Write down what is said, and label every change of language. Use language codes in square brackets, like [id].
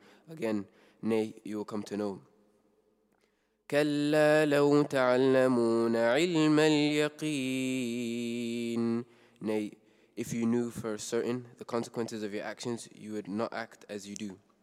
[en] Again, nay, you will come to know. [ar] كلا لو تعلمون علم اليقين. [en] Nay, if you knew for certain the consequences of your actions, you would not act as you do.